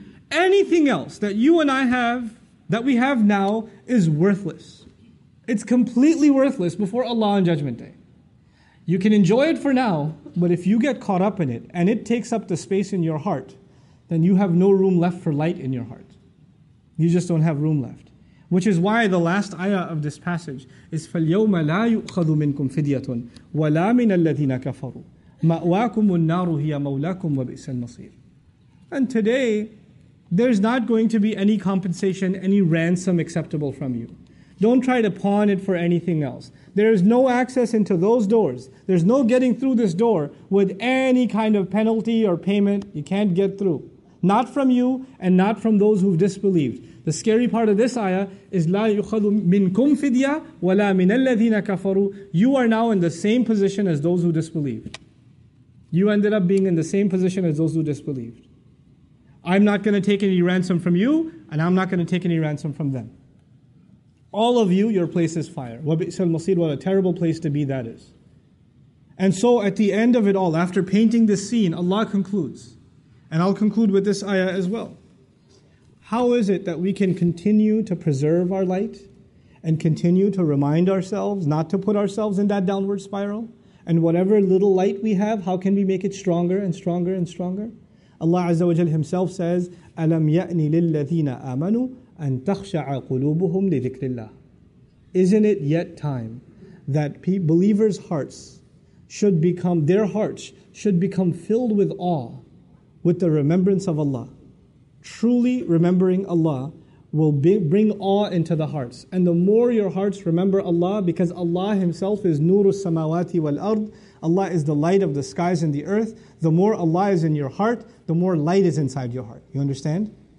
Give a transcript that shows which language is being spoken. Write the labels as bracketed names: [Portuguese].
[English] Anything else that you and I have, that we have now, is worthless. It's completely worthless before Allah on Judgment Day. You can enjoy it for now, but if you get caught up in it, and it takes up the space in your heart, then you have no room left for light in your heart. You just don't have room left. Which is why the last ayah of this passage is [Arabic] فَالْيَوْمَ لَا يُؤْخَذُ مِنْكُمْ فِدْيَةٌ وَلَا مِنَ الَّذِينَ كَفَرُوا مَأْوَاكُمُ النَّارُ هِيَ مَوْلَاكُمْ وَبِئْسَ الْمَصِيرُ. [English] And today, there's not going to be any compensation, any ransom acceptable from you. Don't try to pawn it for anything else. There is no access into those doors. There's no getting through this door with any kind of penalty or payment. You can't get through. Not from you and not from those who've disbelieved. The scary part of this ayah is [Arabic] لا يُخَذُ مِنْكُمْ فِدْيَا وَلَا مِنَ الَّذِينَ كَفَرُوا. [English] You are now in the same position as those who disbelieved. You ended up being in the same position as those who disbelieved. I'm not going to take any ransom from you, and I'm not going to take any ransom from them. All of you, your place is fire. [Arabic] وَبِئْسَ الْمَصِيرُ. [English] What a terrible place to be that is. And so at the end of it all, after painting this scene, Allah concludes. And I'll conclude with this ayah as well. How is it that we can continue to preserve our light and continue to remind ourselves not to put ourselves in that downward spiral? And whatever little light we have, how can we make it stronger and stronger and stronger? Allah Azza wa Jal Himself says, [Arabic] أَلَمْ يَأْنِ لِلَّذِينَ آمَنُوا أَن تَخْشَعَ قُلُوبُهُمْ لِذِكْرِ اللَّهِ. [English] Isn't it yet time that believers' hearts should become, their hearts should become filled with awe with the remembrance of Allah? Truly remembering Allah will bring awe into the hearts. And the more your hearts remember Allah, because Allah Himself is [Arabic] نور السماوات والأرض, [English] Allah is the light of the skies and the earth, the more Allah is in your heart, the more light is inside your heart. You understand?